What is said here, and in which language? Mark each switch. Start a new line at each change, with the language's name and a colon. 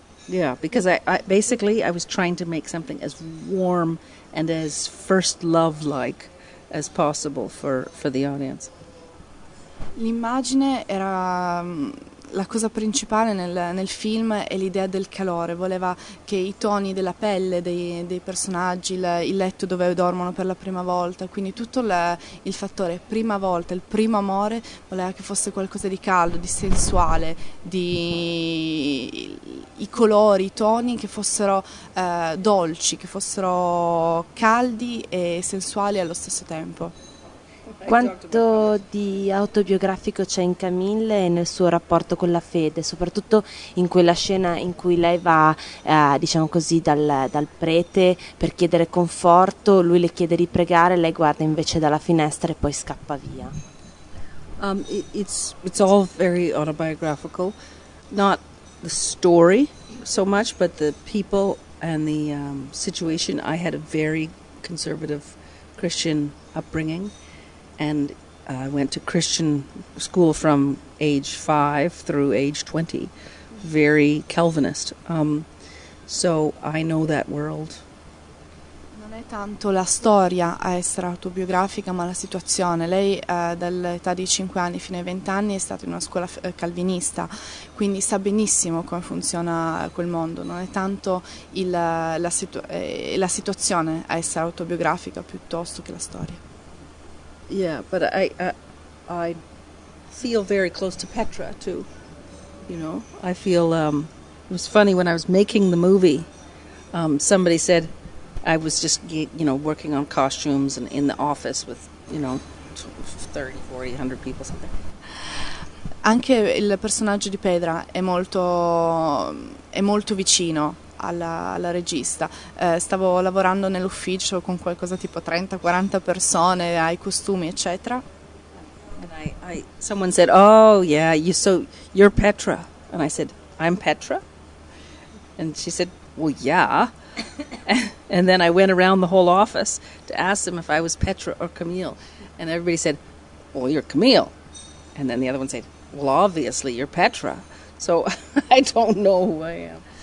English: Yeah, because I basically I was trying to make something as warm and as first love like as possible for the audience.
Italian: L'immagine era la cosa principale nel film, è l'idea del calore. Voleva che i toni della pelle dei personaggi, il letto dove dormono per la prima volta, quindi tutto il fattore prima volta, il primo amore, voleva che fosse qualcosa di caldo, di sensuale, di i colori, i toni che fossero dolci, che fossero caldi e sensuali allo stesso tempo. Quanto di autobiografico c'è in Camille e nel suo rapporto con la fede, soprattutto in quella scena in cui lei va, diciamo così, dal prete per chiedere conforto, lui le chiede di pregare, lei guarda invece dalla finestra e poi scappa via.
English: It's all very autobiographical, not the story so much, but the people and the situation. I had a very conservative Christian upbringing. And I went to Christian school from age 5 through age 20, very Calvinist. So I know that world.
Italian: Non è tanto la storia a essere autobiografica, ma la situazione. Lei dall'età di 5 anni fino ai 20 anni è stata in una scuola calvinista, quindi sa benissimo come funziona quel mondo. Non è tanto la situazione a essere autobiografica piuttosto che la storia.
English: Yeah, but I feel very close to Petra too, you know. I feel, it was funny when I was making the movie, somebody said, I was just, you know, working on costumes and in the office with, you know, 30, 40, 100 people, something.
Italian: Anche il personaggio di Petra è molto vicino alla regista. Stavo lavorando nell'ufficio con qualcosa tipo 30-40 persone, ai costumi eccetera.
English: And I someone said, "Oh, yeah, you're Petra." And I said, "I'm Petra?" And she said, "Well, yeah." And then I went around the whole office to ask them if I was Petra or Camille. And everybody said, "Well, you're Camille." And then the other one said, "Well, obviously, you're Petra." So I don't know who I am.